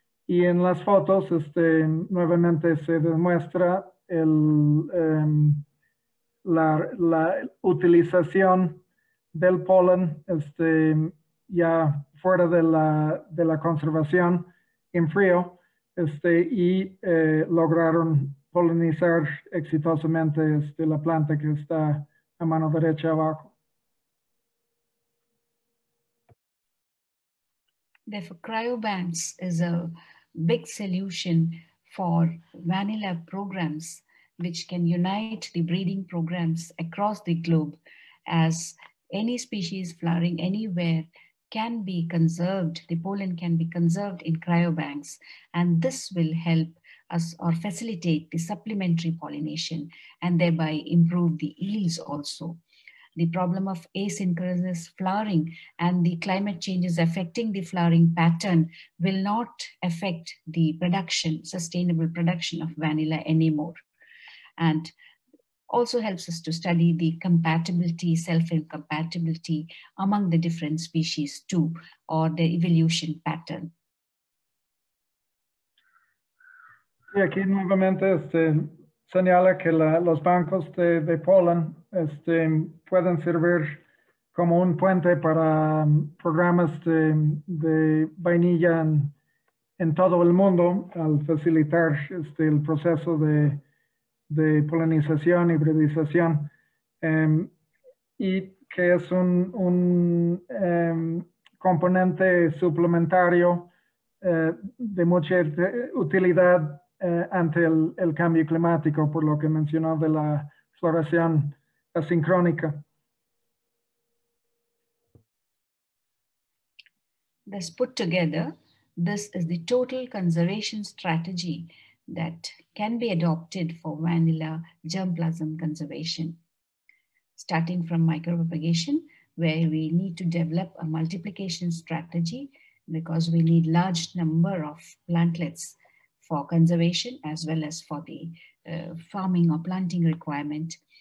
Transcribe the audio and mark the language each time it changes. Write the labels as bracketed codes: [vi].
[es] Y en las fotos, nuevamente se demuestra el, la utilización del polen ya fuera de la conservación en frío y lograron polinizar exitosamente la planta que está a mano derecha abajo. [en] Therefore, cryobanks is a big solution for vanilla programs which can unite the breeding programs across the globe as any species flowering anywhere can be conserved, the pollen can be conserved in cryobanks, and this will help us or facilitate the supplementary pollination and thereby improve the yields also. The problem of asynchronous flowering and the climate changes affecting the flowering pattern will not affect the production, sustainable production of vanilla anymore. And also helps us to study the compatibility, self-incompatibility among the different species too, or the evolution pattern. [es] Y aquí nuevamente señala que la, los bancos de polen pueden servir como un puente para programas de vainilla en todo el mundo al facilitar el proceso de polinización y hibridización. Y que es un componente suplementario de mucha utilidad ante el cambio climático, por lo que mencionó de la floración asincrónica. [en] Thus put together, this is the total conservation strategy that can be adopted for vanilla germplasm conservation. Starting from micropropagation, where we need to develop a multiplication strategy because we need large number of plantlets for conservation as well as for the farming or planting requirement.